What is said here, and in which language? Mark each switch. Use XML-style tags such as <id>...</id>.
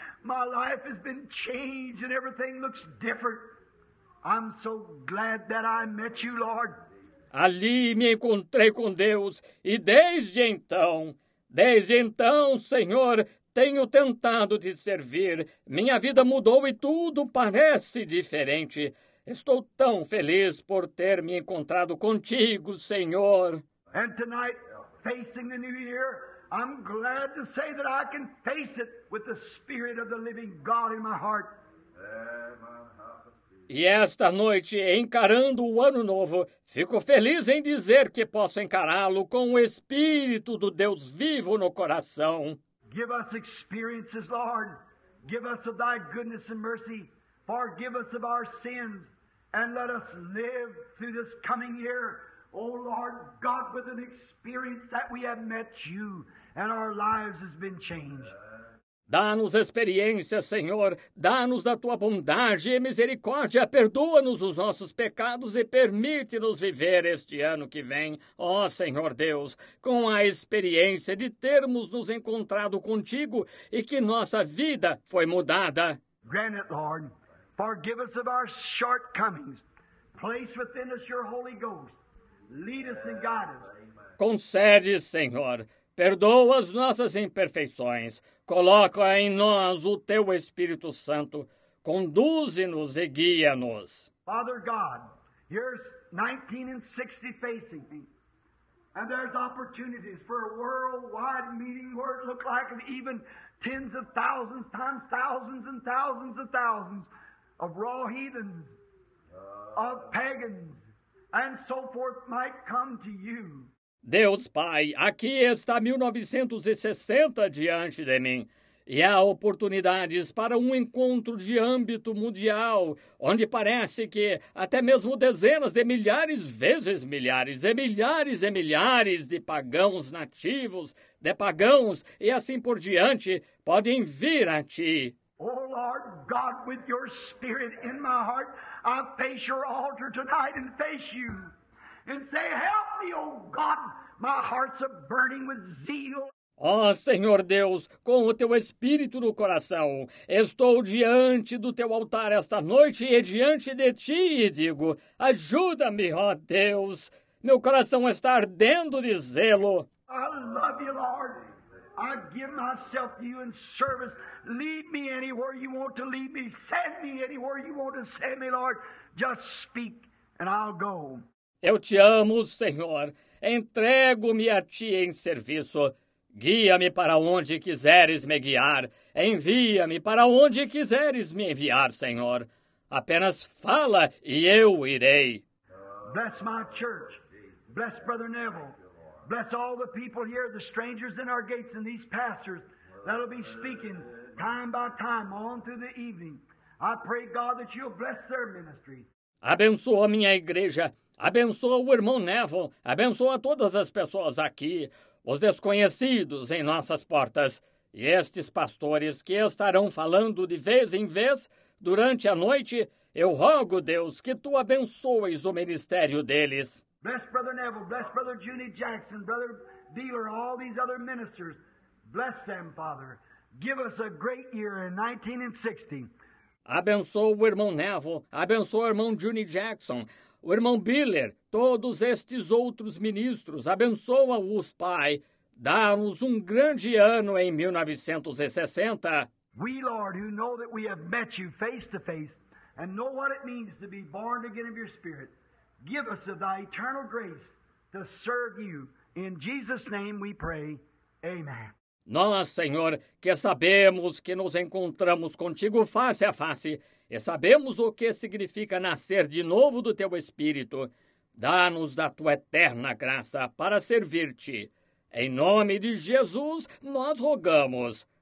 <en>My life has been changed and everything looks different. I'm so glad that I met you, Lord.</en> <pt>Ali me encontrei com Deus e desde então, Senhor, tenho tentado te servir. Minha vida mudou e tudo parece diferente. Estou tão feliz por ter me encontrado contigo, Senhor.</pt> <en>And tonight, facing the new year, I'm glad to say that I can face it with the Spirit of the living God in my heart.</en> <pt>E esta noite, encarando o ano novo, fico feliz em dizer que posso encará-lo com o Espírito do Deus vivo no coração.</pt> <en>Give us experiences, Lord. Give us of thy goodness and mercy. Forgive us of our sins. And let us live through this coming year, oh Lord God, with an experience that we have met you and our lives has been changed.</en> <pt>Dá-nos experiência, Senhor. Dá-nos da tua bondade e misericórdia. Perdoa-nos os nossos pecados e permite-nos viver este ano que vem, ó Senhor Deus, com a experiência de termos nos encontrado contigo e que nossa vida foi mudada.</pt> <en>Grant it, Lord. Forgive us of our shortcomings. Place within us your Holy Ghost. Lead us and guide us.</en> <pt>Concede, Senhor. Perdoa as nossas imperfeições. Coloca em nós o teu Espírito Santo. Conduze-nos e guia-nos.</pt> <en>Father God, here's 1960 facing me. And there's opportunities for a worldwide meeting where it looks like even tens of thousands times thousands and thousands of thousands of raw heathens, of pagans, and so forth might come to you.</en> <pt>Deus Pai, aqui está 1960 diante de mim, e há oportunidades para um encontro de âmbito mundial, onde parece que até mesmo dezenas de milhares vezes milhares e milhares e milhares de pagãos nativos, de pagãos e assim por diante, podem vir a ti.</pt> <en>Oh, Lord God, with your Spirit in my heart, I face your altar tonight and face you. And say, help me, oh God, my heart's a burning with zeal.</en> <pt>Oh, Senhor Deus, com o teu Espírito no coração, estou diante do teu altar esta noite e diante de ti e digo, ajuda-me, ó Deus. Meu coração está ardendo de zelo.</pt> <en>I love you, Lord. I give myself to you in service. Lead me anywhere you want to lead me. Send me anywhere you want to send me, Lord. Just speak and I'll go.</en> <pt>Eu te amo, Senhor. Entrego-me a ti em serviço. Guia-me para onde quiseres me guiar. Envia-me para onde quiseres me enviar, Senhor. Apenas fala e eu irei.</pt> <en>Bless my church. Bless Brother Neville. Bless all the people here, the strangers in our gates and these pastors that'll be speaking time by time on through the evening. I pray, God, that you'll bless their ministry.</en> <pt>Abençoa minha igreja. Abençoa o irmão Neville. Abençoa todas as pessoas aqui, os desconhecidos em nossas portas e estes pastores que estarão falando de vez em vez durante a noite. Eu rogo, Deus, que tu abençoes o ministério deles.</pt> <en>Bless Brother Neville, bless Brother Junie Jackson, Brother Dealer, all these other ministers. Bless them, Father. Give us a great year in 1960.</en> <pt>Abençoa o irmão Neville, abençoa o irmão Junie Jackson, o irmão Biller, todos estes outros ministros. Abençoa-os, Pai. Dá-nos um grande ano em 1960.</pt> <en>We, Lord, who know that we have met you face to face and know what it means to be born again of your Spirit, give us of thy eternal grace to serve you. In Jesus' name we pray. Amen.</en> <pt>Nós, Senhor, que sabemos que nos encontramos contigo face a face e sabemos o que significa nascer de novo do teu Espírito, dá-nos da tua eterna graça para servir-te. Em nome de Jesus, nós rogamos.</pt>